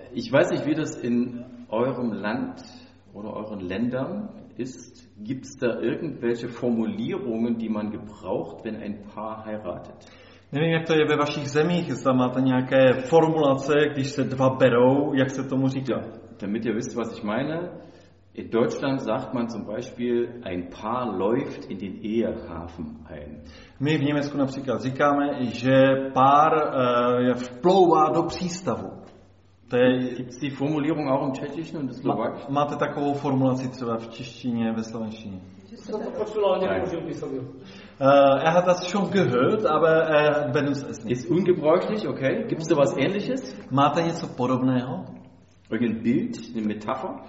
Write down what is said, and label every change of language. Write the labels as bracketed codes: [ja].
[de] Ich weiß nicht, wie das in eurem Land oder euren Ländern ist. Gibt es da irgendwelche Formulierungen, die man gebraucht, wenn ein Paar heiratet? [cs] Nevím, jak to je ve vašich zemích, zda máte nějaké formulace, když se dva berou, jak se tomu říká. [de] Ja, damit ihr wisst, was ich meine, in Deutschland sagt man zum Beispiel, ein Paar läuft in den Ehehafen ein. [cs] My v Německu například říkáme, že pár vplouvá do přístavu. [de] Gibt's die Formulierung auch im Tschechischen und im Slowakischen? [cs] Máte takovou formulaci třeba v češtině, ve slovenštině? [de] Er hat das schon gehört, aber wenn uns es nicht. Ist ungebräuchlich, okay. Gibt es da was Ähnliches? [cs] Máte něco podobného? [de] Irgendein Bild, eine Metapher?